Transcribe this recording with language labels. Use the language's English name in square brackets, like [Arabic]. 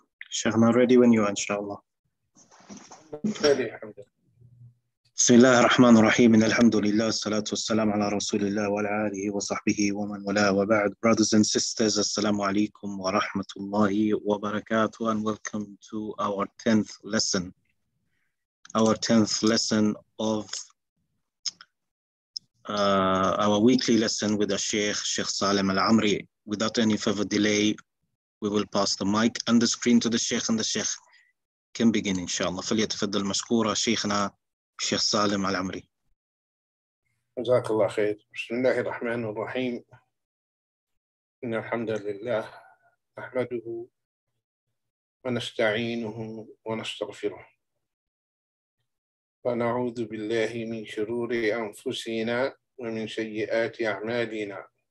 [Arabic] شيخنا [English] ready when you [Arabic] ان شاء الله. بخير الحمد لله. بسم الله الرحمن الرحيم. الحمد لله والصلاة والسلام على رسول الله وعلى آله وصحبه ومن والاه. [English] وبعد, brothers and sisters, [Arabic] السلام عليكم ورحمة الله وبركاته, [English] and welcome to our 10th lesson. Our 10th lesson of our weekly lesson with the Sheikh, Sheikh Salem Al-Amri. Without any further delay, we will pass the mic and the screen to the Sheikh, and the Sheikh can begin, inshallah. [Arabic] فليتفضل مشكورة شيخنا الشيخ سالم العمري. جزاك الله خير. بسم الله الرحمن الرحيم. إن الحمد لله نحمده ونستعينه ونستغفره ونعوذ بالله من شرور أنفسنا ومن سيئات أعمالنا.